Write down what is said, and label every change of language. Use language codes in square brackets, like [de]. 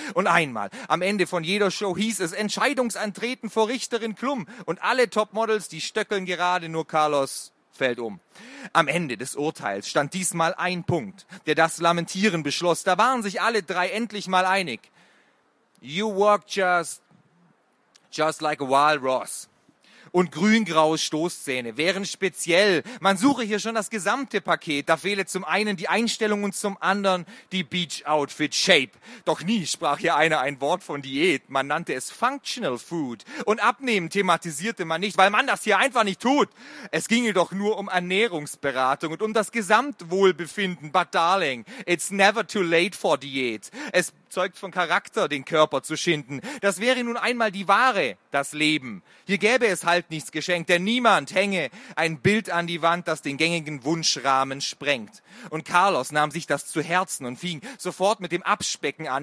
[de] Und einmal, am Ende von jeder Show hieß es, Entscheidungsantreten vor Richterin Klum. Und alle Topmodels, die stöckeln gerade, nur Carlos fällt um. Am Ende des Urteils stand diesmal ein Punkt, der das Lamentieren beschloss. Da waren sich alle drei endlich mal einig. [en] You work just like a walrus. [de] Und grün-graue Stoßzähne wären speziell. Man suche hier schon das gesamte Paket. Da fehle zum einen die Einstellung und zum anderen die Beach-Outfit-Shape. Doch nie sprach hier einer ein Wort von Diät. Man nannte es Functional Food. Und Abnehmen thematisierte man nicht, weil man das hier einfach nicht tut. Es ginge doch nur um Ernährungsberatung und um das Gesamtwohlbefinden. [en] But darling, it's never too late for Diät. [de] Es zeugt von Charakter, den Körper zu schinden. Das wäre nun einmal die Ware, das Leben. Hier gäbe es halt nichts geschenkt, denn niemand hänge ein Bild an die Wand, das den gängigen Wunschrahmen sprengt. Und Carlos nahm sich das zu Herzen und fing sofort mit dem Abspecken an.